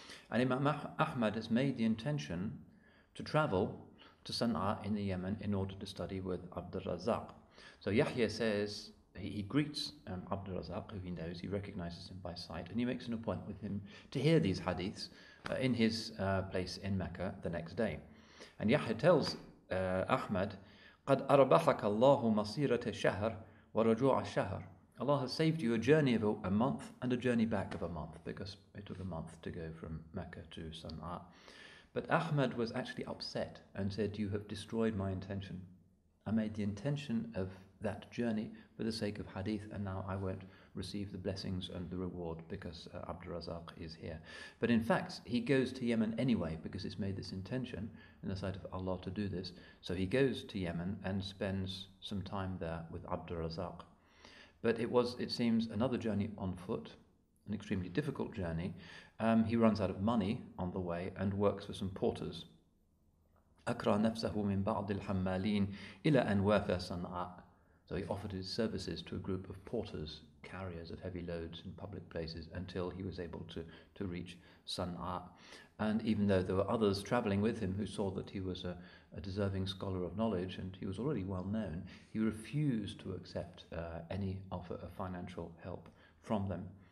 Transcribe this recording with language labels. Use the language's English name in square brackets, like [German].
[English] And Imam Ahmad has made the intention to travel to San'a in the Yemen in order to study with Abdul Razak. So Yahya says, he greets Abdul Razak, who he knows, he recognizes him by sight, and he makes an appointment with him to hear these hadiths in his place in Mecca the next day. And Yahya tells Ahmad, [Arabic] قَدْ أَرَبَحَكَ اللَّهُ مَصِيرَةَ الشَّهْرِ وَرَجُوعَ الشَّهْرِ. [English] Allah has saved you a journey of a month and a journey back of a month, because it took a month to go from Mecca to Sana'a. But Ahmad was actually upset and said, you have destroyed my intention. I made the intention of that journey for the sake of hadith, and now I won't receive the blessings and the reward because Abdul Razak is here. But in fact, he goes to Yemen anyway because he's made this intention in the sight of Allah to do this. So he goes to Yemen and spends some time there with Abdul Razak. But it was, it seems, another journey on foot, an extremely difficult journey. He runs out of money on the way and works for some porters. [Arabic] أكرى نفسه من بعض الحمالين إلى أن وافى صنعاء. [English] So he offered his services to a group of porters, carriers of heavy loads in public places, until he was able to reach Sana'a. And even though there were others travelling with him who saw that he was a deserving scholar of knowledge and he was already well known, he refused to accept any offer of financial help from them.